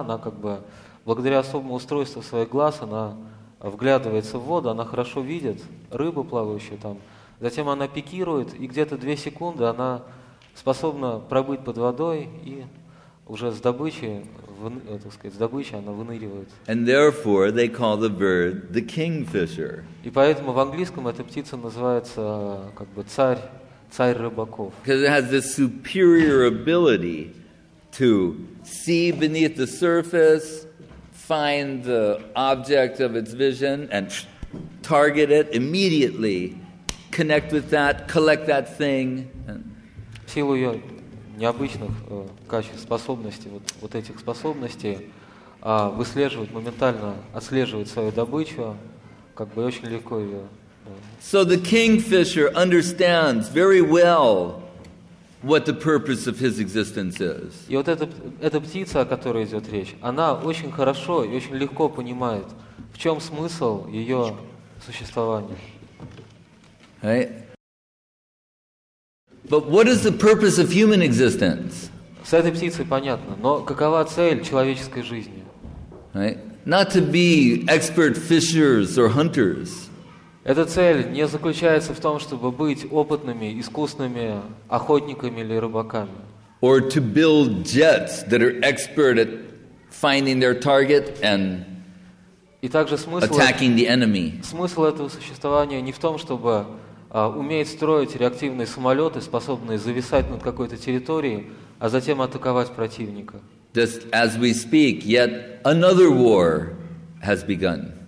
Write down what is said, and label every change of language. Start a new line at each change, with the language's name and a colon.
Russian: Она как бы благодаря особому устройству своих глаз она вглядывается в воду, она хорошо видит рыбу, плавающую там. Затем она пикирует, и где-то 2 секунды она способна пробыть под водой, и уже с добычи, с добычи она выныривает.
English: And therefore they call the bird the kingfisher.
Russian: И поэтому в английском эта птица называется как бы царь рыбаков.
English: Because it has this superior ability to see beneath the surface, find the object of its vision and target it immediately, connect with that, collect that thing.
Russian: В силу ее необычных качеств, способностей, вот этих способностей, выслеживать моментально, отслеживать свою добычу, как бы очень легко ее.
English: So the kingfisher understands very well what the purpose of his existence is.
Russian: И вот эта птица, о которой идет речь, она очень хорошо и очень легко понимает, в чем смысл ее существования.
English: Right? But what is the purpose of human existence?
Russian: С этой птицей понятно, но какова цель человеческой жизни?
English: Right? Not to be expert fishers or hunters.
Russian: Эта цель не заключается в том, чтобы быть опытными, искусными охотниками или рыбаками.
English: Or to build jets that are expert at finding their target and attacking the enemy.
Russian: Смысл этого существования не в том, чтобы уметь строить реактивные самолеты, способные зависать над какой-то территорией, а затем атаковать противника.
English: Just as we speak, yet another war has begun.